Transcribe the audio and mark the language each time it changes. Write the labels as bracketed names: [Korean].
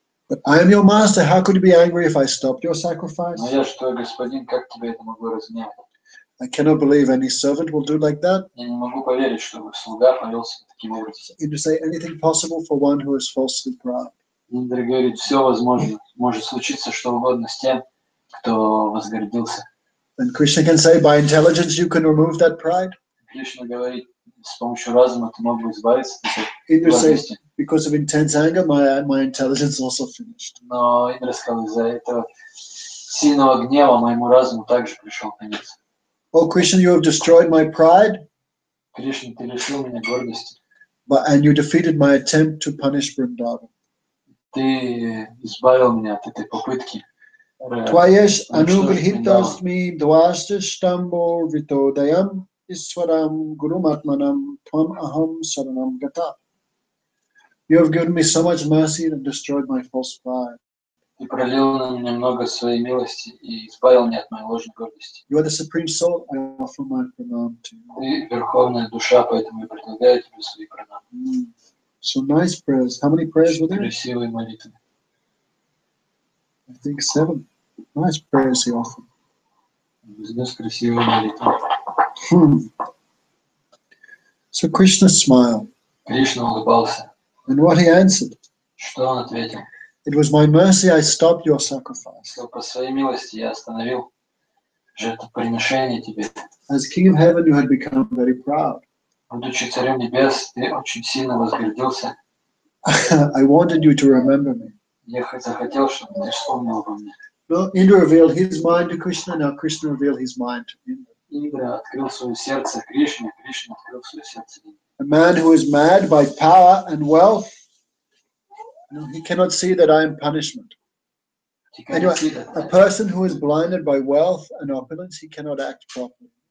[English] But I am your master, how could you be angry if I stopped your sacrifice? [Russian] Но я что, господин, как тебе это могло разгневать? [English] I cannot believe any servant will do like that. [Russian] Я не могу поверить, чтобы слуга повелся таким образом. [English] Indra say anything possible for one who is falsely proud. [Russian] Индра говорит, все возможно, может случиться что угодно с тем, кто возгордился. [English] And Krishna can say, by intelligence you can remove that pride. [Russian] Кришна говорит, с помощью разума ты мог бы избавиться от этого. [English] Indra says, because of intense anger, my intelligence also finished. [Russian] Но Индра сказал, из-за этого сильного гнева моему разуму также пришел конец. [English] Oh Krishna, you have destroyed my pride. [Russian] Krishna, ты лишил меня гордости. [English] But and you defeated my attempt to punish Vrindavan. [Russian] Ты избавил меня от этой попытки. [Sanskrit] Твоеш ануграхитасми дваша штамбо витодаям исварам гурматманам твам ахам саранам гата. [English] You have given me so much mercy and destroyed my false pride. [Russian] Ты пролил на меня много своей милости и избавил меня от моей ложной гордости. [English] You are the supreme soul, I offer my pranam to you. [Russian] Ты верховная душа, поэтому я предлагаю тебе свои пранамы. Mm. [English] So nice prayers. How many prayers were there? [Russian] Красивые молитвы. [English] I think 7. Nice prayers he offered. [Russian] Красивые молитвы. [English] So Krishna smiled. [Russian] Кришна улыбался. [English] And what he answered? [Russian] Что он ответил? [English] It was my mercy I stopped your sacrifice. [Russian] По своей милости я остановил жертвоприношение тебе. [English] As king of heaven, you had become very proud. [Russian] Будучи царем небес, ты очень сильно возгордился. [English] I wanted you to remember me. [Russian] Я захотел, чтобы ты вспомнил обо мне. [English] Well, Indra revealed his mind to Krishna, now Krishna revealed his mind to Indra. [Russian] Индра открыл свое сердце Кришне, Кришна открыл свое сердце Индре. [English] A man who is mad by power and wealth. No, he cannot see that I am punishment. Anyway, a person who is blinded by wealth and opulence, he cannot act properly.